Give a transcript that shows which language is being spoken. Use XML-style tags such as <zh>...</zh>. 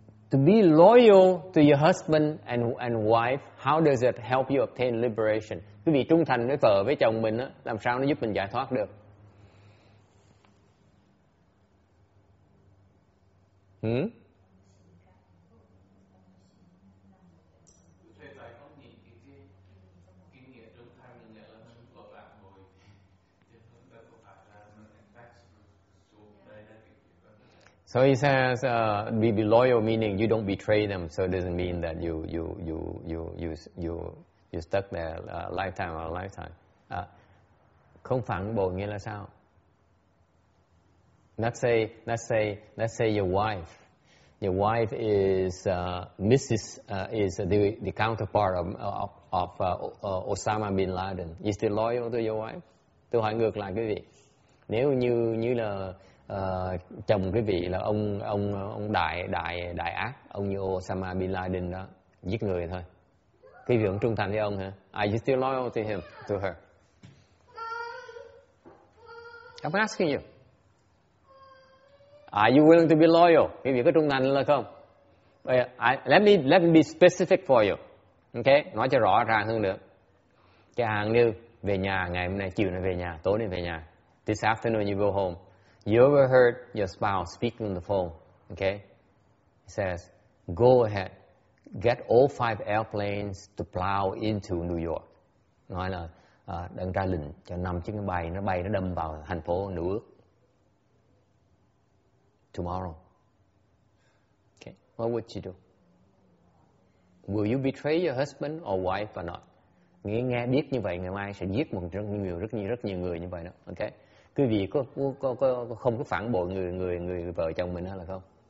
<en>To be loyal to your husband and wife, how does it help you obtain liberation?</en> <vi>Quý vị trung thành với vợ, với chồng mình, đó, làm sao nó giúp mình giải thoát được?</vi> <en>So he says, be loyal, meaning you don't betray them. So it doesn't mean that you stuck there lifetime.</en> <vi>Không phản bội nghĩa là sao?</vi> <en>Let's say your wife is Mrs. Is the counterpart of Osama bin Laden. Is he loyal to your wife?</en> <vi>Tôi hỏi ngược lại quý vị. Nếu như là chồng quý vị là ông đại ác, ông như Osama bin Laden đó, giết người thôi. Quý vị vẫn trung thành với ông hả?</vi> <en>Are you still loyal to him, to her? I'm asking you. Are you willing to be loyal?</en> <vi>Quý vị có trung thành là không?</vi> <en>Let me be specific for you.</en> <vi>Okay? Nói cho rõ ràng hơn nữa. Cái hàng như về nhà ngày hôm nay, chiều nay về nhà, tối nay về nhà.</vi> <en>This afternoon you go home. You ever heard your spouse speaking on the phone? Okay? He says, go ahead, get all 5 airplanes to plow into New York.</en> <vi>Nói là, đang ra lệnh cho 5 chiếc máy bay, nó đâm vào thành phố New York.</vi> <en>Tomorrow. Okay? What would you do? Will you betray your husband or wife or not?</en> <vi>Nghe biết như vậy, ngày mai sẽ giết một rất nhiều người như vậy đó. Okay? Quý vị có không có phản bội người vợ chồng mình hay là không?</vi>